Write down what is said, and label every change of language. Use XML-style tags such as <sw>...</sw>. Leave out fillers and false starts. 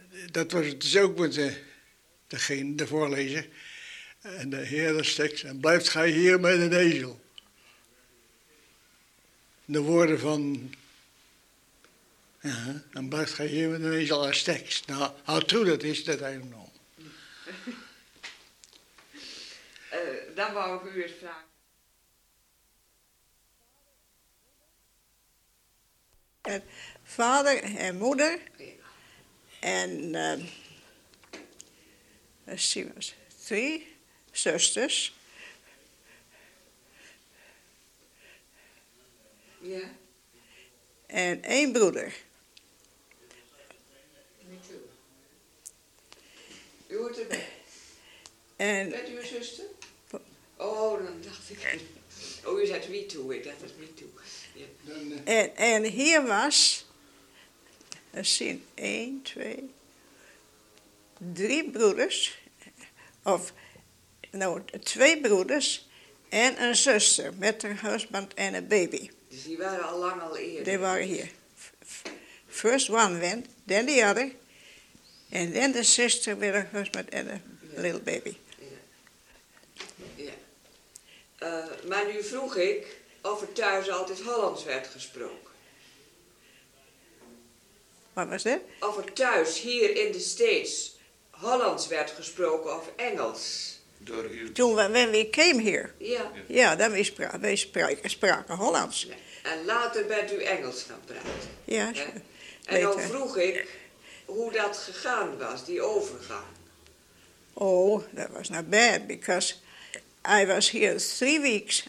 <nl>Dat was het dus ook met degene, de voorlezer. En de heer dat steekt, en blijft gij hier met een ezel. De woorden van, en blijft gij hier met een ezel als tekst.</nl> <en>Nou, how true that is, that I don't know.</en> <nl>Dan wou ik u eens vragen. Vader en moeder en twee zusters. Ja. En één broeder. U hoort erbij. Bent u een zuster? Dan dacht ik. U zegt</nl> <en>me too.</en> <nl>Ik dacht dat</nl> <en>me too.</en> <nl>En hier was, zien, 1, 2, 3 broeders, of nou, 2 broeders en een zuster met een husband en een baby. Dus die waren al lang al eerder. Die waren hier.</nl> <en>First one went, then the other, and then the sister with her husband and a little baby.</en> <nl>Maar nu vroeg ik of er thuis altijd Hollands werd gesproken. Wat was dat? Of er thuis hier in de States Hollands werd gesproken of Engels. Door u. Toen</nl> <en>we came here.</en> <nl>Ja. Ja, dan we spraken Hollands. Ja. En later bent u Engels gaan praten. Ja. En dan vroeg ik hoe dat gegaan was, die overgang.</nl> <en>Oh, that was not bad, because I was here 3 weeks.</en>